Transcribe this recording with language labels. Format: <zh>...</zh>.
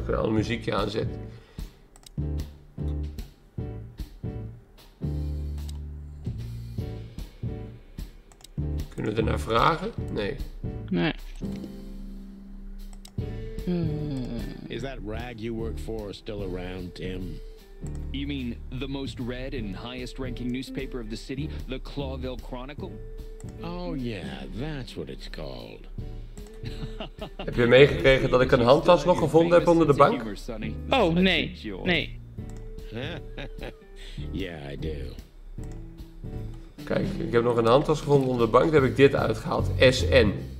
<nl>Muziekje aanzet. Kunnen we ernaar vragen? Nee. Nee.</nl> <en>Is that rag you work for still around, Tim? You mean the most read and highest ranking newspaper of the city, the Clawville Chronicle? Oh yeah, that's what it's called.</en> <nl>Heb je meegekregen dat ik een handtas nog gevonden heb onder de bank? Oh, nee. Nee.</nl> <en>Ja, I do.</en> <nl>Kijk, ik heb nog een handtas gevonden onder de bank. Daar heb ik dit uitgehaald. SN.</nl>